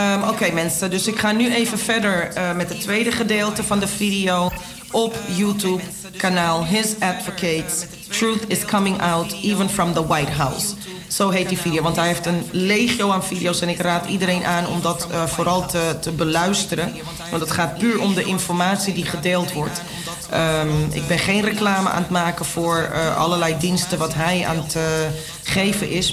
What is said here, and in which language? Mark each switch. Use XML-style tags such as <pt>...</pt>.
<nl>Okay, mensen, dus ik ga nu even verder met het tweede gedeelte van de video op YouTube kanaal His Advocates.</nl> <en>Truth is coming out even from the White House.</en> <nl>Zo heet die video, want hij heeft een legio aan video's en ik raad iedereen aan om dat vooral te beluisteren. Want het gaat puur om de informatie die gedeeld wordt. Ik ben geen reclame aan het maken voor allerlei diensten wat hij aan het geven is.</nl>